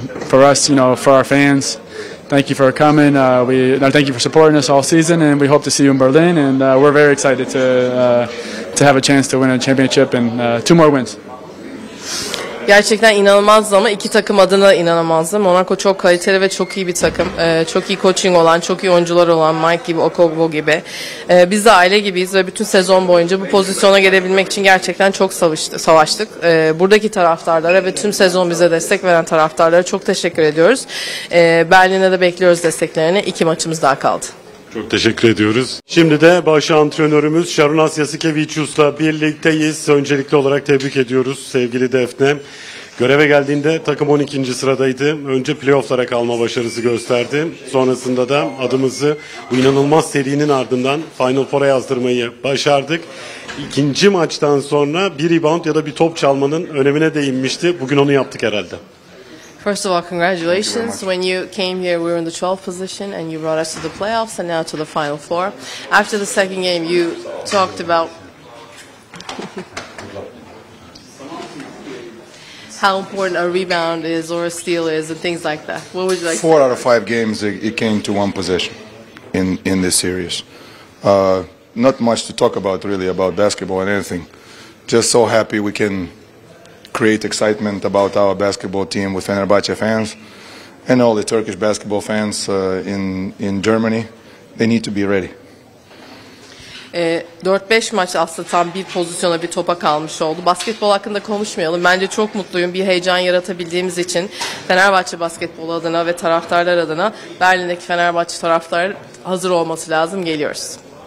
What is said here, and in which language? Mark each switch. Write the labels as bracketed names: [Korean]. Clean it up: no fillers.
[English] For us, you know, for our fans, thank you for coming. Thank you for supporting us all season, and we hope to see you in Berlin. We're very excited to have a chance to win a championship and two more wins. [Turkish] Gerçekten inanılmazdı ama iki takım adına inanılmazdı. Monaco çok kaliteli ve çok iyi bir takım. Çok iyi coaching olan, çok iyi oyuncular olan, Mike gibi, Okobo gibi. Biz de aile gibiyiz ve bütün sezon boyunca bu pozisyona gelebilmek için gerçekten çok savaştık. Buradaki taraftarlara ve tüm sezon bize destek veren taraftarlara çok teşekkür ediyoruz. Berlin'e de bekliyoruz desteklerini. İki maçımız daha kaldı. Çok teşekkür ediyoruz. Şimdi de baş antrenörümüz Şarunas Yasikevicius'la birlikteyiz. Öncelikli olarak tebrik ediyoruz sevgili Defne. Göreve geldiğinde takım 12. sıradaydı. Önce playofflara kalma başarısı gösterdi. Sonrasında da adımızı bu inanılmaz serinin ardından Final Four'a yazdırmayı başardık. İkinci maçtan sonra bir rebound ya da bir top çalmanın önemine değinmişti. Bugün onu yaptık herhalde. [English] First of all, congratulations. When you came here, we were in the 12th position and you brought us to the playoffs and now to the Final Four. After the second game, you talked about how important a rebound is or a steal is and things like that. What would you like? Four out of five games, it came to one position in this series. Not much to talk about, really, about basketball and anything. just so happy we can create excitement about our basketball team with Fenerbahce fans and all the Turkish basketball fans in Germany. They need to be ready. [Turkish] 4-5 maç aslında tam bir pozisyona, bir topa kalmış oldu. Basketbol hakkında konuşmayalım. Bence çok mutluyum bir heyecan yaratabildiğimiz için. Fenerbahçe basketbol adına ve taraftarlar adına Berlin'deki Fenerbahçe taraftarı hazır olması lazım. Geliyoruz.